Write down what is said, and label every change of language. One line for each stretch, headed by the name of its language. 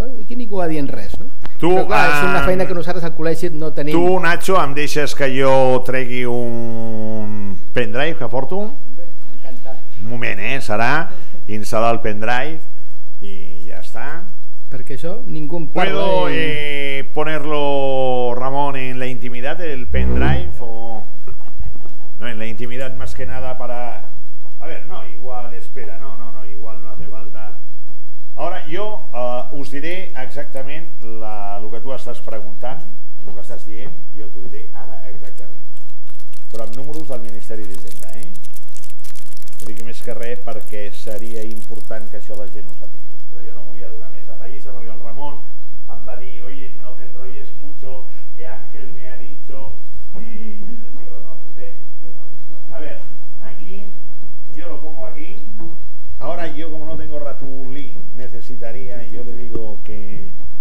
Catalan: I aquí ningú va dient res, no? Tu, però clar, és una feina que nosaltres al col·legi no tenim. Tu, Nacho, em deixes que jo tregui un pendrive que porto? Encantat. Un moment, serà instal·lar el pendrive i ja està. Perquè això ningú em parla.
Spanish: ¿Puedo ponerlo, Ramón, en la intimidad, el pendrive? O... No, en la intimidad más que nada para... A ver, no, igual, espera, no, igual no hace falta...
Catalan: Ara, jo us diré exactament el que tu estàs preguntant, el que estàs dient, jo t'ho diré ara exactament. Però amb números del Ministeri d'Hisenda, Ho dic més que res perquè seria important que això la gent ho sàpiga. Però jo no volia donar més a païssa perquè el Ramon em va dir,
Spanish: oye, no te enrolles mucho, que Ángel me ha dicho...
Catalan: I jo digo, no, fotem, que no. A veure, aquí...
Spanish: yo lo pongo aquí. Ahora yo, como no tengo ratulí, necesitaría, yo le digo que...